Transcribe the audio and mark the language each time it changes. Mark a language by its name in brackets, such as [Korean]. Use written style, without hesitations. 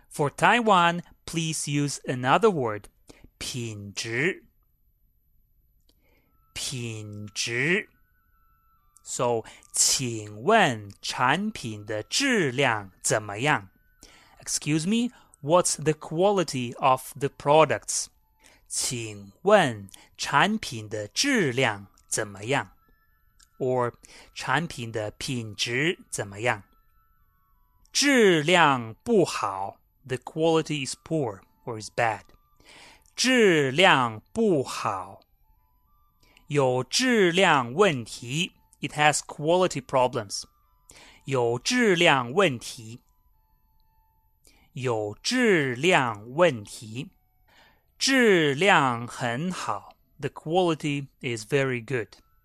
[English] For Taiwan, please use another word, 品质品质 So, [Chinese] 请问产品的质量怎么样? [English] Excuse me, what's the quality of the products? [Chinese] 请问产品的质量怎么样? Or, 产品的品质怎么样? 质量不好, [English] the quality is poor or is bad. [Chinese] 质量不好有质量问题 [English] It has quality problems. [Chinese] 有质量问题有质量问题质量很好 [English] The quality is very good.